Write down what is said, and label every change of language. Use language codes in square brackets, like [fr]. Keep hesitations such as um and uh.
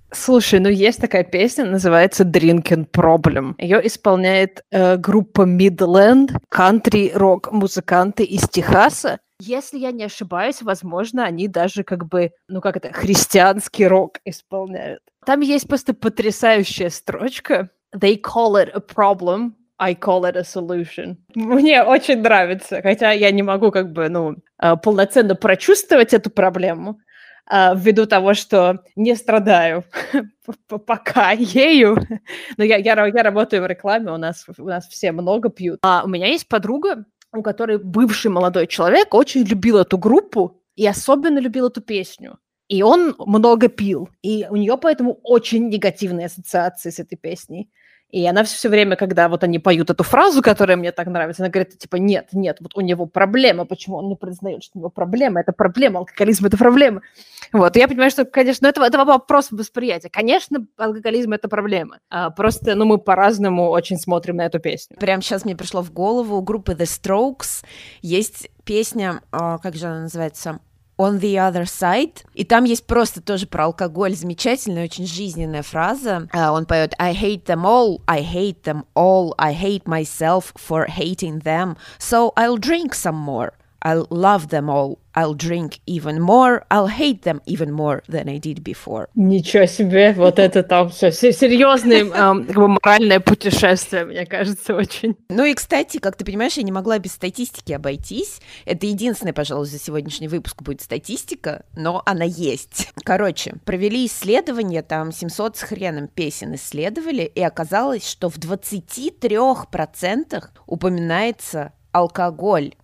[ru] Слушай, ну есть такая песня, называется Drinking Problem. Ее исполняет э, группа Midland, кантри-рок-музыканты из Техаса. Если я не ошибаюсь, возможно, они даже как бы, ну как это, христианский рок исполняют. Там есть просто потрясающая строчка. [en] They call it a problem, I call it a solution. [ru] Мне очень нравится, хотя я не могу как бы, ну, полноценно прочувствовать эту проблему, ввиду того, что не страдаю пока ею. Но я, я, я работаю в рекламе, у нас, у нас все много пьют. А у меня есть подруга, у которой бывший молодой человек очень любил эту группу и особенно любил эту песню. И он много пил, и у нее поэтому очень негативные ассоциации с этой песней. И она все время, когда вот они поют эту фразу, которая мне так нравится, она говорит, типа, нет, нет, вот у него проблема, почему он не признает, что у него проблема, это проблема, алкоголизм – это проблема. Вот, и я понимаю, что, конечно, это, это вопрос восприятия. Конечно, алкоголизм – это проблема, а просто, ну, мы по-разному очень смотрим на эту песню. Прямо сейчас мне пришло в голову, у группы The Strokes есть песня, как же она называется, On the Other Side. И там есть просто тоже про алкоголь замечательная, очень жизненная фраза. Uh, он поет [en] I hate them all, I hate them all, I hate myself for hating them, so I'll drink some more. I'll love them all. I'll drink even more. I'll hate them even more than I did before. [ru] Ничего себе, вот это там все серьезное эм, как бы моральное путешествие, мне кажется, очень. Ну и, кстати, как ты понимаешь, я не могла без статистики обойтись. Это единственное, пожалуй, за сегодняшний выпуск будет статистика, но она есть. Короче, провели исследование, там 700 с хреном песен исследовали, и оказалось, что в 23% упоминается алкоголь.